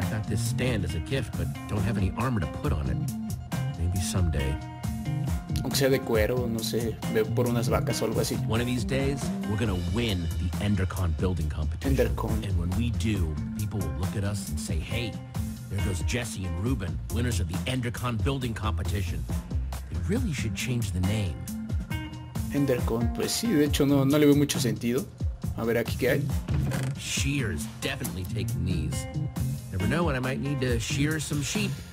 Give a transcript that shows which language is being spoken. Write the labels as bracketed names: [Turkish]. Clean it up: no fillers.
[English] I got this stand as a gift, but don't have any armor to put on it. Maybe someday. [Spanish] Aunque sea de cuero, no sé, por unas vacas o algo así. [English] One of these days, we're gonna win the Endercon building competition. Endercon. And when we do, people will look at us and say, hey, there goes Jesse and Ruben, winners of the Endercon building competition. They really should change the name. [Spanish] Endercon, pues sí, de hecho no le veo mucho sentido. A ver aquí qué hay. [English] Shear is definitely taking these. Never know when I might need to shear some sheep.